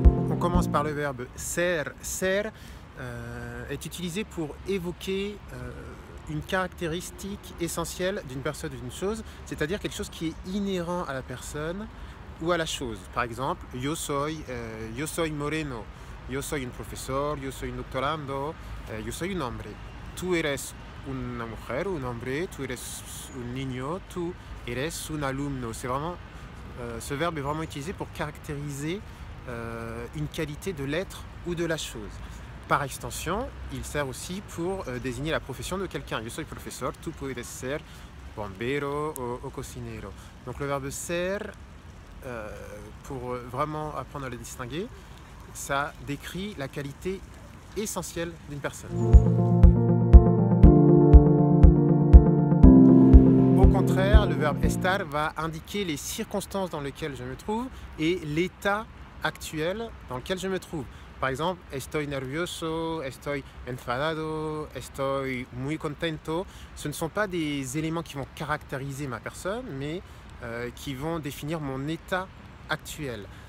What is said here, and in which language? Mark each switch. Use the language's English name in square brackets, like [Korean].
[French] On commence par le verbe ser. Ser est utilisé pour évoquer une caractéristique essentielle d'une personne ou d'une chose, c'est-à-dire quelque chose qui est inhérent à la personne ou à la chose. Par exemple, [Spanish] yo soy moreno, yo soy un profesor, yo soy un doctorando, yo soy un hombre. Tú eres una mujer, un hombre, tú eres un niño, tú eres un alumno. [French] C'est vraiment, ce verbe est vraiment utilisé pour caractériser une qualité de l'être ou de la chose. Par extension, il sert aussi pour désigner la profession de quelqu'un. [Spanish] Yo soy profesor, tú puedes ser bombero o cocinero. [French] Donc le verbe ser, pour vraiment apprendre à le distinguer, ça décrit la qualité essentielle d'une personne. Au contraire, le verbe estar va indiquer les circonstances dans lesquelles je me trouve et l'état actuel dans lequel je me trouve. Par exemple, [Spanish] estoy nervioso, estoy enfadado, estoy muy contento. [French] Ce ne sont pas des éléments qui vont caractériser ma personne, mais qui vont définir mon état actuel.